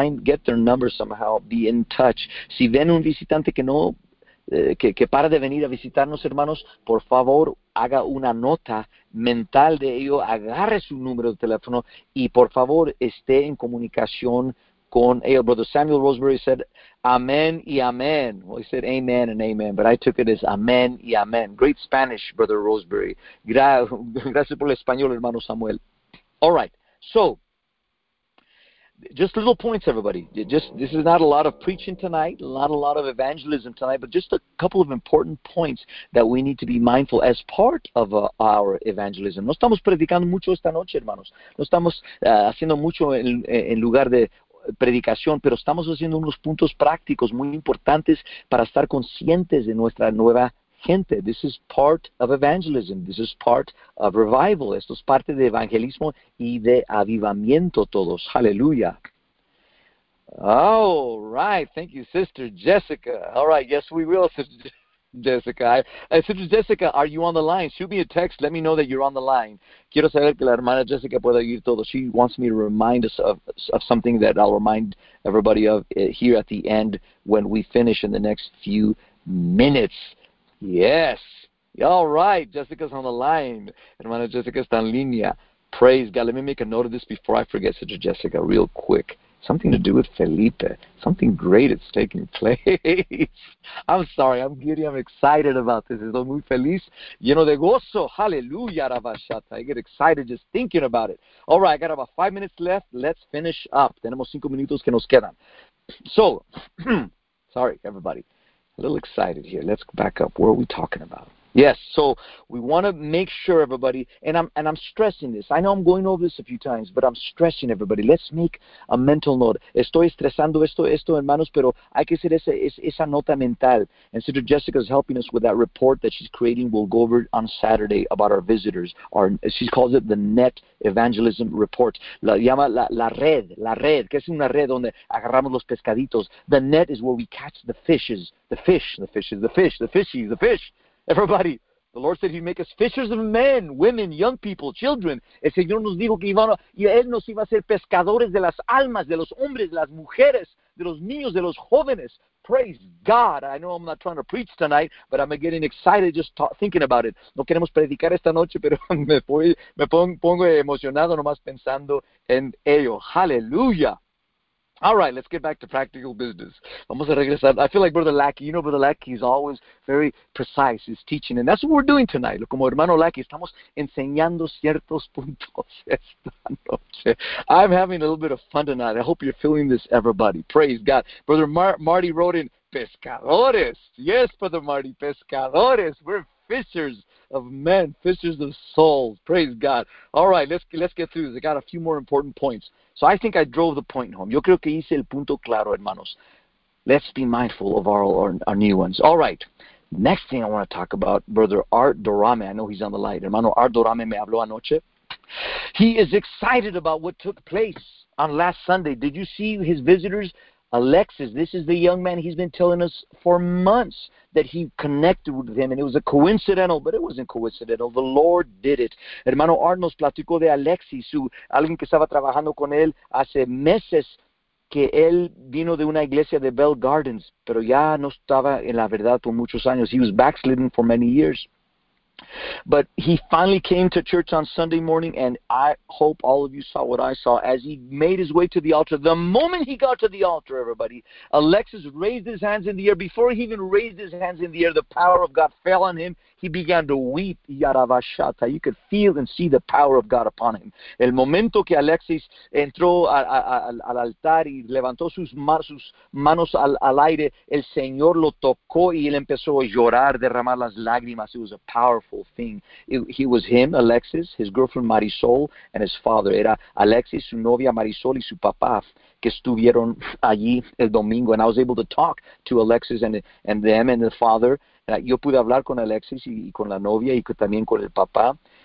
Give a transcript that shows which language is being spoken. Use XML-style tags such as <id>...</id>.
<en>Get their number somehow. Be in touch.</en> <es>Si ven un visitante que no... Que para de venir a visitarnos, hermanos, por favor, haga una nota mental de ello, agarre su número de teléfono y por favor esté en comunicación con ello.</es> <en>Brother Samuel Roseberry said,</en> <es>amén y amén.</es> <en>Well, he said, amen and amen, but I took it as</en> <es>amén y amén.</es> <en>Great Spanish, Brother Roseberry.</en> <es>Gracias por el español, hermano Samuel.</es> <en>All right, so. Just little points, everybody. This is not a lot of preaching tonight, not a lot of evangelism tonight, but just a couple of important points that we need to be mindful as part of our evangelism.</en> <es>No estamos predicando mucho esta noche, hermanos. No estamos haciendo mucho en lugar de predicación, pero estamos haciendo unos puntos prácticos muy importantes para estar conscientes de nuestra nueva gente.</es> <en>This is part of evangelism. This is part of revival.</en> <es>Esto es parte de evangelismo y de avivamiento todos.</es> <en>Hallelujah. All right. Thank you, Sister Jessica. All right. Yes, we will, Sister Jessica. Sister Jessica, are you on the line? Shoot me a text. Let me know that you're on the line.</en> <es>Quiero saber que la hermana Jessica pueda ir todo.</es> <en>She wants me to remind us of something that I'll remind everybody of here at the end when we finish in the next few minutes. Yes. All right. Jessica's on the line.</en> <es>Hermana Jessica está en línea.</es> <en>Praise God. Let me make a note of this before I forget, Sister Jessica, real quick. Something to do with Felipe. Something great is taking place. I'm sorry. I'm giddy. I'm excited about this.</en> <es>Estoy muy feliz. Lleno de gozo.</es> <en>Hallelujah, Rabashata. I get excited just thinking about it. All right. I got about 5 minutes left. Let's finish up.</en> <es>Tenemos 5 minutos que nos quedan.</es> <en>So, sorry, everybody. A little excited here. Let's back up. What are we talking about? Yes, so we want to make sure everybody, and I'm stressing this. I know I'm going over this a few times, but I'm stressing everybody. Let's make a mental note.</en> <es>Estoy estresando esto, hermanos, pero hay que hacer esa nota mental.</es> <en>And Sister Jessica is helping us with that report that she's creating. We'll go over it on Saturday about our visitors. She calls it the Net Evangelism Report.</en> <es>La llama la red. ¿Qué es una red? Donde agarramos los pescaditos.</es> <en>The net is where we catch the fishes. The fish. Everybody, the Lord said He'd make us fishers of men, women, young people, children.</en> <es>El Señor nos dijo que Él nos iba a hacer pescadores de las almas, de los hombres, de las mujeres, de los niños, de los jóvenes.</es> <en>Praise God. I know I'm not trying to preach tonight, but I'm getting excited just thinking about it.</en> <es>No queremos predicar esta noche, pero me pongo emocionado nomás pensando en ello. Hallelujah.</es> <en>All right, let's get back to practical business.</en> <es>Vamos a regresar.</es> <en>I feel like Brother Lackey, you know Brother Lackey is always very precise, he's teaching, and that's what we're doing tonight.</en> <es>Como hermano Lackey, estamos enseñando ciertos puntos esta noche.</es> <en>I'm having a little bit of fun tonight. I hope you're feeling this, everybody. Praise God. Brother Marty wrote in, pescadores. Yes, Brother Marty, pescadores. We're fishers of men, fishers of souls. Praise God. All right, let's get through this. I got a few more important points. So I think I drove the point home.</en> <es>Yo creo que hice el punto claro, hermanos.</es> <en>Let's be mindful of our new ones. All right. Next thing I want to talk about, Brother Art Dorame. I know he's on the line.</en> <es>Hermano Art Dorame me habló anoche.</es> <en>He is excited about what took place on last Sunday. Did you see his visitors? Alexis, this is the young man he's been telling us for months that he connected with him. And it was a coincidental, but it wasn't coincidental. The Lord did it.</en> <es>Hermano Art nos platicó de Alexis, alguien que estaba trabajando con él hace meses, que él vino de una iglesia de Bell Gardens, pero ya no estaba en la verdad por muchos años.</es> <en>He was backslidden for many years. But he finally came to church on Sunday morning, and I hope all of you saw what I saw as he made his way to the altar. The moment he got to the altar, everybody, Alexis raised his hands in the air. Before he even raised his hands in the air, the power of God fell on him. He began to weep. You could feel and see the power of God upon him.</en> <es>El momento que Alexis entró al altar y levantó sus manos al aire, el Señor lo tocó y él empezó a llorar, derramar las lágrimas.</es> <en>It was a powerful thing. He was him, Alexis, his girlfriend Marisol, and his father.</en> <es>Era Alexis, su novia Marisol y su papá que estuvieron allí el domingo.</es> <en>And I was able to talk to Alexis and them and the father.</en> <es>Yo pude hablar con Alexis y con la novia y también con el papá.</es>